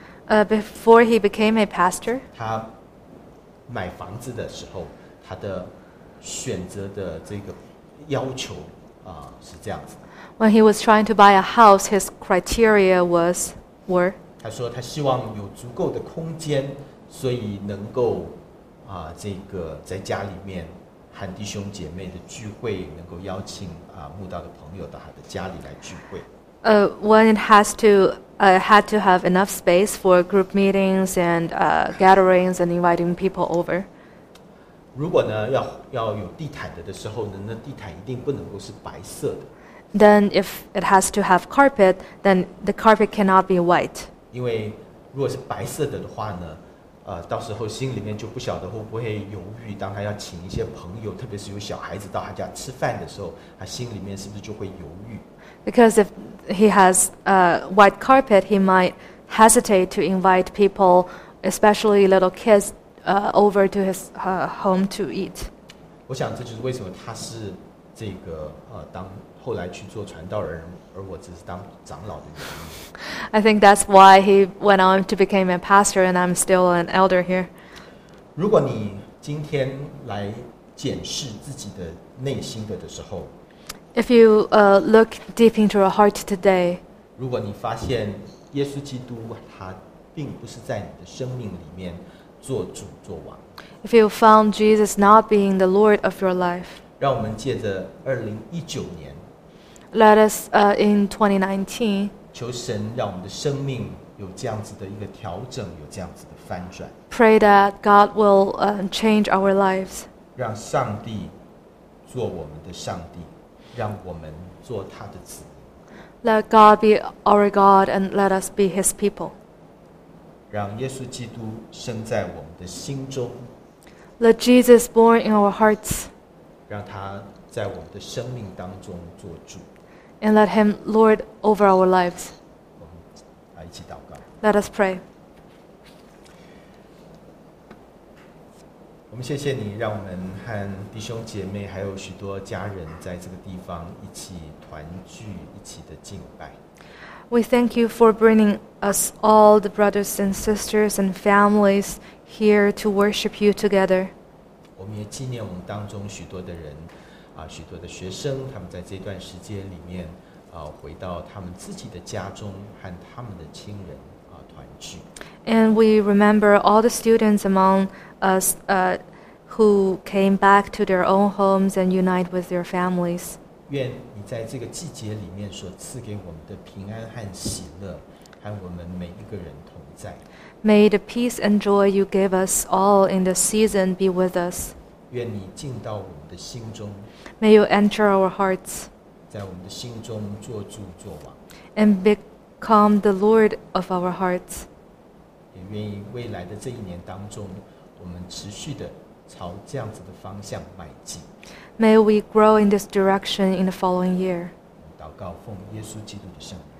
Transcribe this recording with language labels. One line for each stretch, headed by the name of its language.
English: before he became a pastor,
Chinese: 他买房子的时候，他的选择的这个要求是这样子的。
English: When he was trying to buy a house, his criteria were.
Chinese: 他说他希望有足够的空间，所以能够这个在家里面。和弟兄姐妹的聚会，能够邀请慕道的朋友到他的家里来聚会。
English: When it has to, had to have enough space for group meetings and gatherings and inviting people over.
Chinese: 如果呢要有地毯的时候呢，那地毯一定不能够是白色的。
English: Then if it has to have carpet, then the carpet cannot be white.
Chinese: 因为如果是白色的话呢。到时候心里面就不晓得会不会犹豫，当他要请一些朋友，特别是有小孩子到他家吃饭的时候，他心里面是不是就会犹豫
English: ？Because if he has a white carpet, he might hesitate to invite people, especially little kids, over to his home to eat.
Chinese: 我想这就是为什么他是这个当后来去做传道人，而我只是当长老的原因。
English: I think that's why he went on to become a pastor, and I'm still an elder here.
Chinese: 如果你今天来检视自己的内心的时候
English: ，If you look deep into your heart today，
Chinese: 如果你发现耶稣基督他并不是在你的生命里面做主做王
English: ，If you found Jesus not being the Lord of your life，
Chinese: 让我们借着2019年
English: ，Let us in 2019。
Chinese: 求神让我们的生命有这样子的一个调整，有这样子的翻转。
English: Pray that God will change our lives.
Chinese: 让上帝做我们的上帝，让我们做他的子民。
English: Let God be our God and let us be His people.
Chinese: 让耶稣基督生在我们的心中。
English: Let Jesus born in our hearts.
Chinese: 让他在我们的生命当中做主。
English: And let him lord over our lives.
Chinese: 我们来一起祷告。
English: Let us pray.
Chinese: 我们谢谢你，让我们和弟兄姐妹还有许多家人在这个地方一起团聚，一起的敬拜。
English: We thank you for bringing us all the brothers and sisters and families here to worship you together.
Chinese: 我们也纪念我们当中许多的人。许多的学生他们在这段时间里面回到他们自己的家中和他们的亲人团聚。
English: And we remember all the students among us who came back to their own homes and unite with their families.
Chinese: 愿你在这个季节里面所赐给我们的平安和喜乐和我们每一个人同在。
English: May the peace and joy you give us all in the season be with us.
Chinese: 愿你进到我们的心中。
English: May you enter our hearts.
Chinese: 在我们的心中做主做王。
English: And become the Lord of our hearts.
Chinese: 也愿意未来的这一年当中，我们持续的朝这样子的方向迈进。
English: May we grow in this direction in the following year.
Chinese: 祷告奉耶稣基督的圣名。